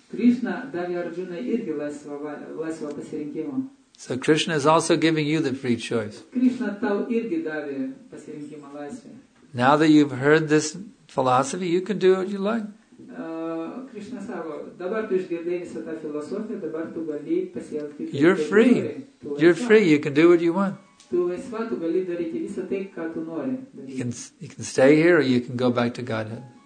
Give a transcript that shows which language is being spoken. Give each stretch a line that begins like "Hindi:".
Lithuanian: Krishna davė Arjuna irgi laisvą pasirinkimą.
English: So Krishna is also giving you the free choice.
Lithuanian: Krishna tau irgi davė pasirinkimą laisvę.
English: Now that you've heard this philosophy, you can do what you like.
Lithuanian: Krishna sako, dabar tu išgirdai visą tą filosofiją, dabar tu gali pasielgti.
English: You're free. You're free. You can do what you want. You can stay here or you can go back to Godhead.